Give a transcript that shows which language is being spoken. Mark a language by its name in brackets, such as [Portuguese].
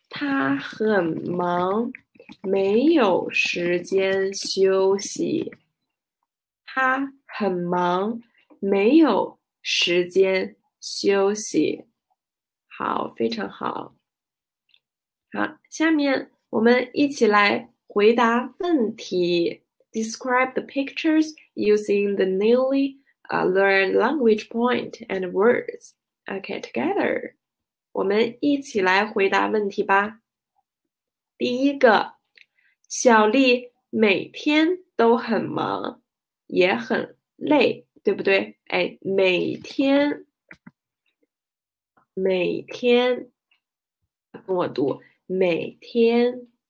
[Chinese] 他很忙，没有时间休息。他很忙，没有时间休息。好，非常好。好，下面我们一起来回答问题。 [English] Describe the pictures using the newly learned language point and words. Okay, together. [Chinese] 我们一起来回答问题吧。第一个，小丽每天都很忙，也很累，对不对？哎，每天，每天，跟我读，每天。